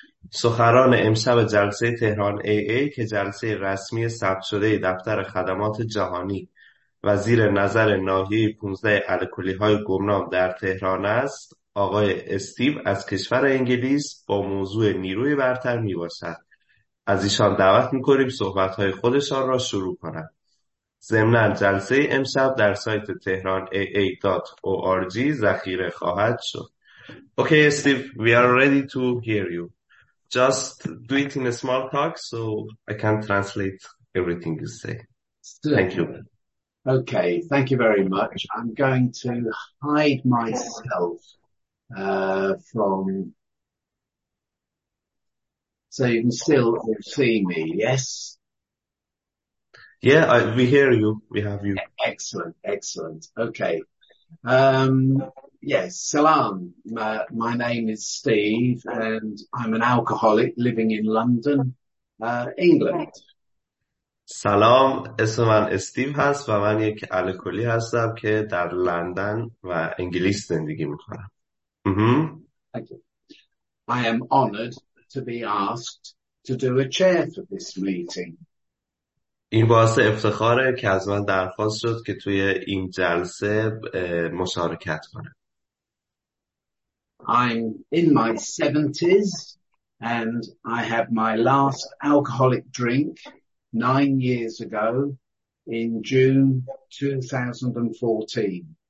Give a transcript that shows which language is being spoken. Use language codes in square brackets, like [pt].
[fa] سخنران امشب جلسه تهران AA که جلسه رسمی ثبت شده دفتر خدمات جهانی و زیر نظر ناحیه 15 الکلی های گمنام در تهران است، آقای استیو از کشور انگلیس با موضوع نیروی برتر می باشد. از ایشان دعوت می کنیم صحبت های خودشان را شروع کنند. ضمناً جلسه امشب در سایت تهران AA.org ذخیره خواهد شد. [en] Okay, Steve, we are ready to hear you. Just do it in a small talk so I can translate everything you say. Still. Thank you. Okay, thank you very much. I'm going to hide myself from... So you can still see me, yes? Yeah, we hear you. We have you. Excellent, excellent. Okay. Yes, salam. My name is Steve and I'm an alcoholic living in London, England. [fa] سلام، اسم من استیو هست و من یک الکلی هستم که در لندن و انگلیس زندگی می‌کنم. [en] Thank you. I am honored to be asked to do a chair for this meeting. [fa] این باعث افتخاره که از من درخواست شد که توی این جلسه مشارکت کنم. [en] I'm in my 70s and I had my last alcoholic drink 9 years ago in June 2014.